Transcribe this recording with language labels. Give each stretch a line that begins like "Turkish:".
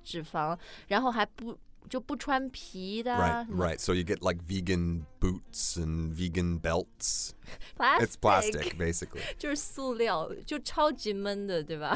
Chinese: 脂肪，然后还不就不穿皮的、啊、
English: Right, so you get like vegan boots and vegan belts. Plastic. It's plastic, basically.
Chinese: 就是塑料就超级闷的对吧、